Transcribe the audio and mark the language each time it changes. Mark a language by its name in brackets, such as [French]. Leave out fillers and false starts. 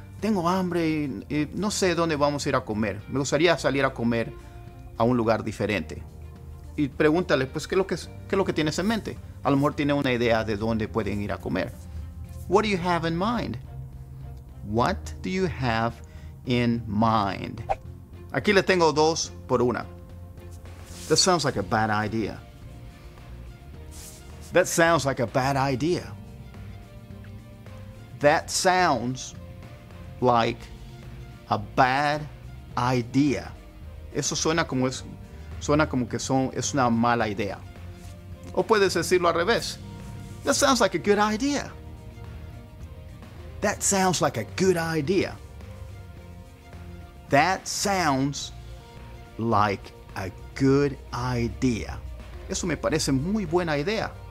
[Spanish] Tengo hambre y no sé dónde vamos a ir a comer. Me gustaría salir a comer a un lugar diferente. Y pregúntale, pues, ¿qué es lo que tienes en mente? A lo mejor tiene una idea de dónde pueden ir a comer. [English] What do you have in mind? What do you have in mind? [Spanish] Aquí le tengo dos por una. [English] That sounds like a bad idea. That sounds like a bad idea. That sounds like a bad idea. [Spanish] Eso suena como que es una mala idea. O puedes decirlo al revés. [English] That sounds like a good idea. That sounds like a good idea. That sounds like a good idea. [Spanish] Eso me parece muy buena idea.